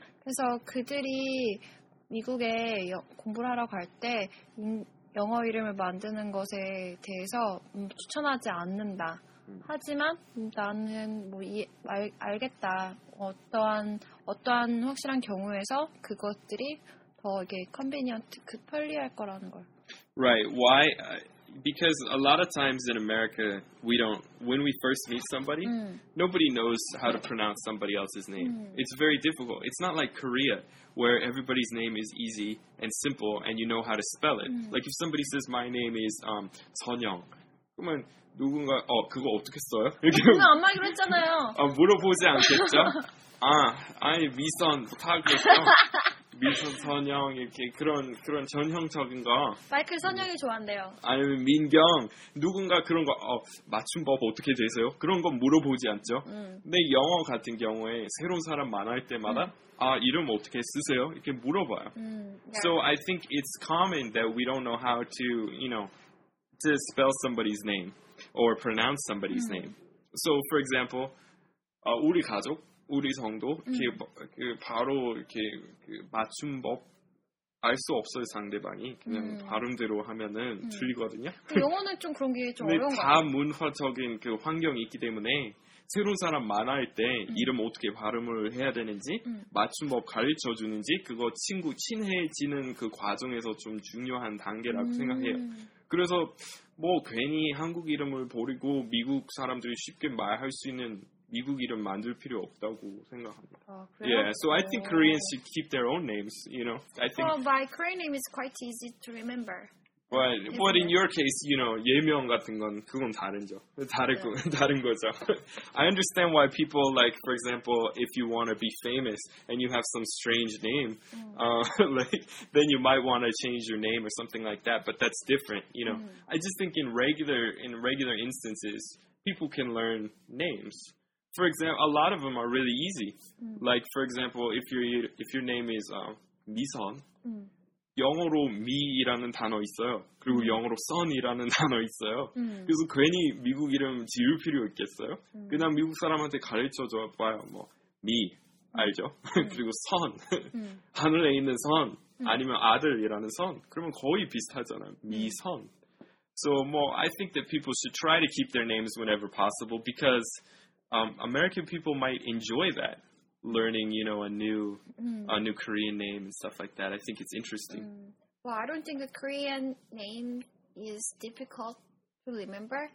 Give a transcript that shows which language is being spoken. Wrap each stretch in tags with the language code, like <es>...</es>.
<ko>그래서 그들이 미국에 공부를 하러 갈 때 영어 이름을 만드는 것에 대해서 추천하지 않는다. 하지만 나는 뭐 알겠다. 어떠한 확실한 경우에서 그것들이 더 이게 컨비니언트 그 편리할 거라는 걸.</ko> <en>Right. Why? Because a lot of times in America, when we first meet somebody, nobody knows how to pronounce somebody else's name. It's very difficult. It's not like Korea, where everybody's name is easy and simple, and you know how to spell it. Like if somebody says, my name is 선영,</en> <ko>그러면 누군가, 그거 어떻게 써요? 엄마 그랬잖아요. 물어보지 않겠죠? 아니, 미선, 다 그랬어. 미선 선영 이렇게 그런 전형적인 거 마이클 선영이 좋아한대요. 아니면 민경 누군가 그런 거 맞춤법 어떻게 되세요? 그런 건 물어보지 않죠. 근데 영어 같은 경우에 새로운 사람 만날 때마다 이름 어떻게 쓰세요? 이렇게 물어봐요.</ko> <en>Yeah. So I think it's common that we don't know how to, you know, to spell somebody's name or pronounce somebody's name.</en> <ko>So, for example, 우리 가족, 우리 성도, 바로 이렇게 맞춤법 알 수 없어요, 상대방이. 그냥 발음대로 하면은 들리거든요. 그 영어는 좀 그런 게 좀 어려운 거 같아요. 다문화적인 그 환경이 있기 때문에 새로운 사람 만날 때 이름 어떻게 발음을 해야 되는지 맞춤법 가르쳐주는지 그거 친구 친해지는 그 과정에서 좀 중요한 단계라고 생각해요. 그래서 뭐 괜히 한국 이름을 버리고 미국 사람들이 쉽게 말할 수 있는 미국 이름 만들 필요 없다고 생각합니다. 아,</ko> <en>yeah, so I think Koreans should keep their own names, you know. I think. Well, my Korean name is quite easy to remember. Well, but in your case, you know,</en> <ko>예명 같은 건 그건 다른죠. 다르고</ko> <en>yeah.</en> <ko>다른 거죠.</ko> <en>I understand why people like, for example, if you want to be famous and you have some strange name, like then you might want to change your name or something like that. But that's different, you know. I just think in regular instances, people can learn names. For example, a lot of them are really easy. Like, for example, if your name is 미선,</en> <ko>영어로 미라는 단어 있어요. 그리고 영어로 선이라는 단어 있어요. 그래서 괜히 미국 이름 지을 필요 있겠어요? 그냥 미국 사람한테 가르쳐줘 봐요. 뭐 미, 알죠? 그리고 선, 하늘에 있는 선, 아니면 아들이라는 선. 그러면 거의 비슷하잖아요. 미선.</ko> <en>So, well, I think that people should try to keep their names whenever possible because American people might enjoy that, learning, you know, a new Korean name and stuff like that. I think it's interesting. Well, I don't think a Korean name is difficult to remember.</en>